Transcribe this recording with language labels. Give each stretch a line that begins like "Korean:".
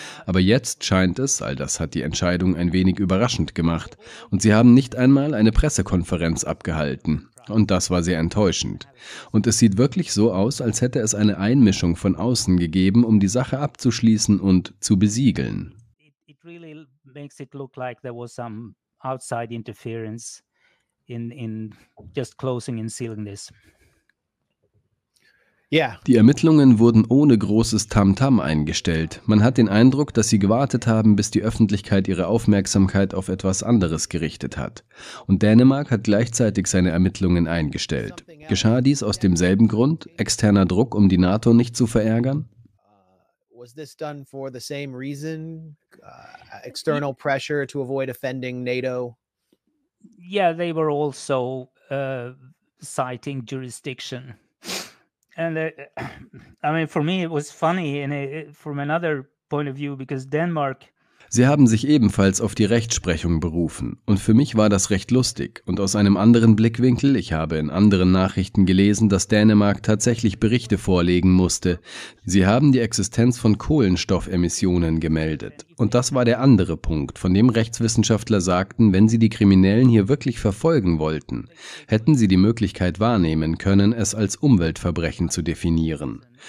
German: Aber jetzt scheint es, all das hat die Entscheidung ein wenig überraschend gemacht, und sie haben nicht einmal eine Pressekonferenz abgehalten. Und das war sehr enttäuschend. Und es sieht wirklich so aus, als hätte es eine Einmischung von außen gegeben, um die Sache abzuschließen und zu besiegeln.
English: It really makes it look like there was some outside interference in just closing and sealing this.
German: Die Ermittlungen wurden ohne großes Tamtam eingestellt. Man hat den Eindruck, dass sie gewartet haben, bis die Öffentlichkeit ihre Aufmerksamkeit auf etwas anderes gerichtet hat. Und Dänemark hat gleichzeitig seine Ermittlungen eingestellt. Geschah dies aus demselben Grund? Externer Druck, um die NATO nicht zu verärgern?
English: Was this done for the same reason? External pressure to avoid offending NATO? Yeah, they were also citing jurisdiction. And I mean, for me, it was funny from another point of view, because Denmark.
German: Sie haben sich ebenfalls auf die Rechtsprechung berufen. Und für mich war das recht lustig. Und aus einem anderen Blickwinkel, ich habe in anderen Nachrichten gelesen, dass Dänemark tatsächlich Berichte vorlegen musste. Sie haben die Existenz von Kohlenstoffemissionen gemeldet. Und das war der andere Punkt, von dem Rechtswissenschaftler sagten, wenn sie die Kriminellen hier wirklich verfolgen wollten, hätten sie die Möglichkeit wahrnehmen können, es als Umweltverbrechen zu definieren.